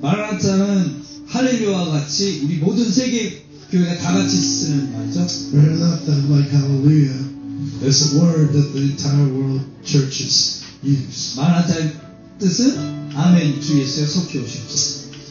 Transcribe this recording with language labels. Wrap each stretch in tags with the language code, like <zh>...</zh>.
<ko>마라나타는 할렐루야와 같이 우리 모든 세계 교회가 다 같이 쓰는 말이죠.</ko> <en>Maranatha, like hallelujah, is a word that the entire world churches use.</en> <ko>마라나타의 뜻은 아멘, 주 예수여 속히 오시옵소서.</ko>